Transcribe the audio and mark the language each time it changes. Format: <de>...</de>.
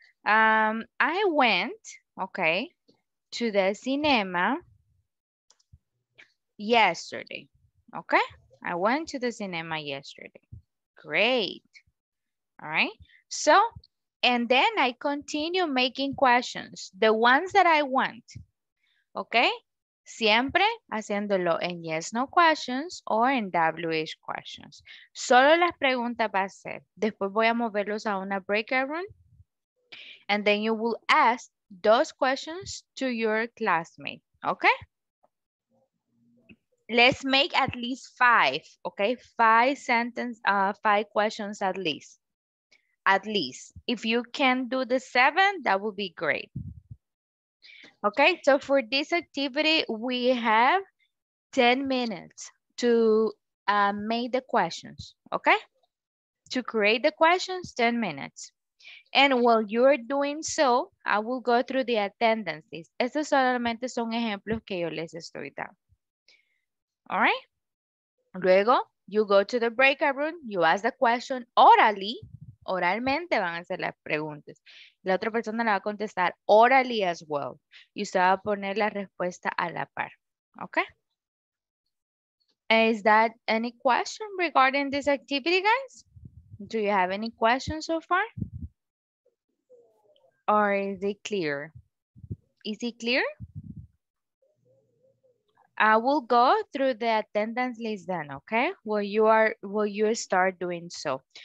<en>I went, okay, to the cinema yesterday, okay? I went to the cinema yesterday. Great, all right? So, and then I continue making questions, the ones that I want, okay?</en> <es>Siempre haciéndolo en yes, no questions o en WH questions. Solo las preguntas va a ser. Después voy a moverlos a una breakout room.</es> <en>And then you will ask those questions to your classmate. Okay? Let's make at least 5. Okay? 5 questions at least. At least. If you can do the 7, that would be great. Okay, so for this activity, we have 10 minutes to make the questions, okay? to create the questions, 10 minutes. And while you're doing so, I will go through the attendances.</en> <es>Estos solamente son ejemplos que yo les estoy dando.</es> <en>All right? Luego, you go to the breakout room, you ask the question orally.</en> <es>Oralmente van a hacer las preguntas. La otra persona la va a contestar orally as well. Y usted va a poner la respuesta a la par.</es> <en>Okay? Is that any question regarding this activity, guys? Do you have any questions so far? Or is it clear? Is it clear? I will go through the attendance list then, okay? Will you start doing so.</en>